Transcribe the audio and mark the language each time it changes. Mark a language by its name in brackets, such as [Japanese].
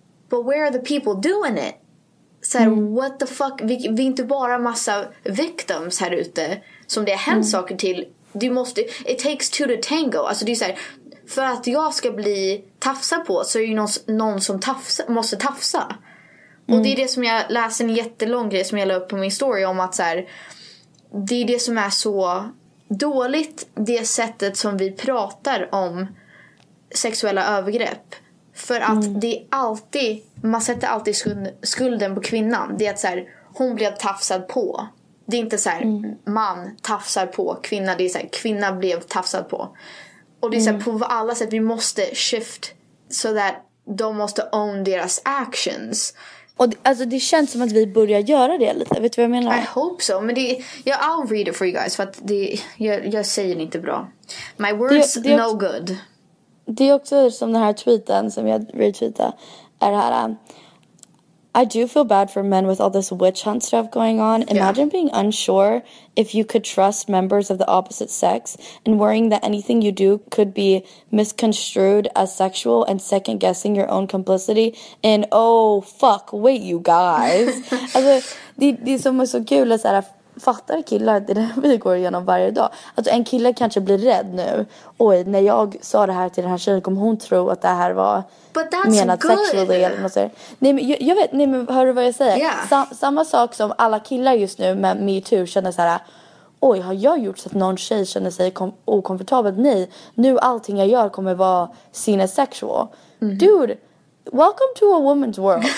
[English] But where are the people doing it? Såhär, what the fuck? [Swedish] Vi är inte bara massa victims här ute som det har hänt saker till. Du måste, [English] it takes two to tango. [Swedish] Alltså det är så här, för att jag ska bli tafsa på så är det ju någon som måste tafsa. Mm. Och det är det som jag läser en jättelång grej som jag la upp på min story om att så här, det är det som är så dåligt, det sättet som vi pratar om sexuella övergrepp. För att det är alltid, man sätter alltid skulden på kvinnan. Det är att så här, hon blev tafsad på. Det är inte så här, man tafsar på kvinna. Det är så här, kvinna blev tafsad på. Och det är så här, på alla sätt, vi måste shift så att de måste own deras actions. Och alltså det känns som att vi börjar göra det lite. Vet du vad jag menar? [English] I hope so. [Swedish] Men [English] I'll read it for you guys. [Swedish] För att jag säger inte bra. My words, det no också, good. Det är också som den här tweeten som jag retweetade. Är här. [English] I do feel bad for men with all this witch hunt stuff going on. Imagine being unsure if you could trust members of the opposite sex and worrying that anything you do could be misconstrued as sexual and second guessing your own complicity in, oh fuck, wait you guys. [Swedish] Alltså, det som är så kul är såhär, fattar killar att det är det vi går igenom varje dag. Alltså en kille kanske blir rädd nu. Oj, när jag sa det här till den här tjejen kommer hon tro att det här var menat sexually eller något sådär. Nej men jag vet, nej men hör du vad jag säger? [English] Yeah. [Swedish] Samma sak som alla killar just nu med Me Too känner såhär, oj, har jag gjort så att någon tjej känner sig okomfortabel? Nej, nu allting jag gör kommer vara [English] seen as sexual. [Swedish] Mm-hmm. [English] Dude, welcome to a woman's world.